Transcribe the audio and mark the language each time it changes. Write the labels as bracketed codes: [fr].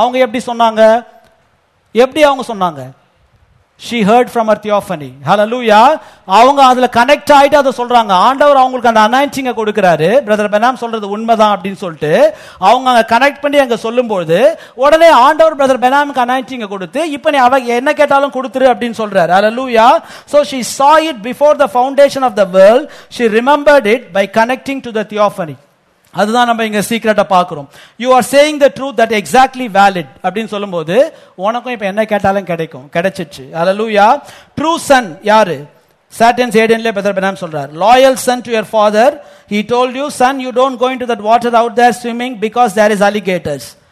[ta] அவங்க எப்படி சொன்னாங்க, எப்படி அவங்க சொன்னாங்க, [en] She heard from her theophany. [ta] Hallelujah. அவங்க அதுல கனெக்ட் ஆயிட்டு அதை சொல்றாங்க. ஆண்டவர் அவங்களுக்கு அந்த அனாயிச்சிங்க கொடுக்கிறாரு. பிரதர் பெனாம் சொல்றது உண்மைதான் அப்படின்னு சொல்லிட்டு அவங்க அங்க கனெக்ட் பண்ணி அங்க சொல்லும் போது உடனே ஆண்டவர் பிரதர் பெனாமுக்கு அனாயிச்சிங்க கொடுத்து இப்ப நீ அவ என்ன கேட்டாலும் கொடுத்துரு அப்படின்னு சொல்றாரு. [en] Hallelujah. So she saw it before the foundation of the world. She remembered it by connecting to the theophany. [ta] அதுதான் நம்ம இங்க சீக்கிரட்டா பாக்குறோம். [en] you are saying the truth that exactly valid [ta] அப்படின்னு சொல்லும் போது உனக்கும் இப்ப என்ன கேட்டாலும் கிடைக்கும், கிடைச்சிச்சு. ஹல்லேலூயா. [en] true son [ta] யாரு, சாட்டன்ஸ் ஏடன்லே பிரதர் பெனாம் சொல்றார். [en] Loyal son to your father, he told you son you don't going to that water out there swimming because there is alligators.